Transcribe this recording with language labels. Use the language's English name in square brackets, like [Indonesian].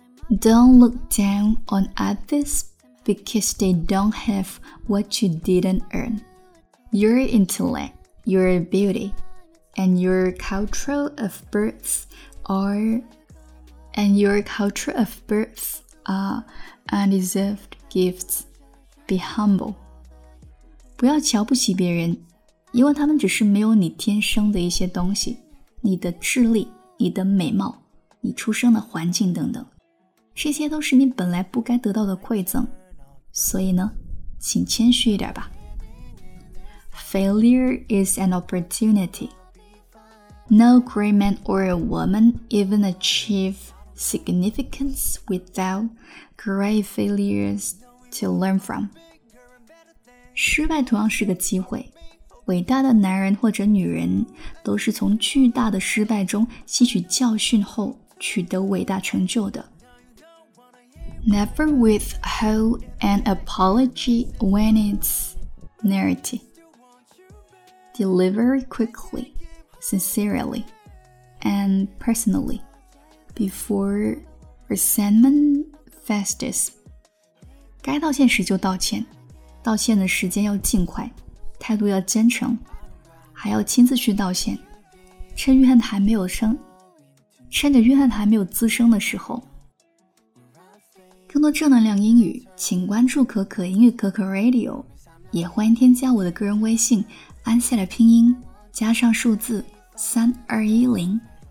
[English] Don't look down on others because they don't have what you didn't earn. Your intellect, your beauty, and your culture of birth are, and your culture of birth are undeserved gifts. Be humble. [Chinese] 不要瞧不起别人，因为他们只是没有你天生的一些东西，你的智力，你的美貌，你出生的环境等等，这些都是你本来不该得到的馈赠，所以呢，请谦虚一点吧。 [English] Failure is an opportunity. No great man or a woman even achieve significance without great failures to learn from. [Chinese] 失败同样是个机会，伟大的男人或者女人都是从巨大的失败中吸取教训后取得伟大成就的。 [English] Never withhold an apology when it's merited. Deliver quickly, sincerely, and personally before resentment festers. [Chinese] 该道歉时就道歉，道歉的时间要尽快，态度要坚诚，还要亲自去道歉，趁着怨恨还没有滋生的时候。更多正能量英语，请关注可可英语可可 Radio， 也欢迎添加我的个人微信安夏的拼音加上数字3210。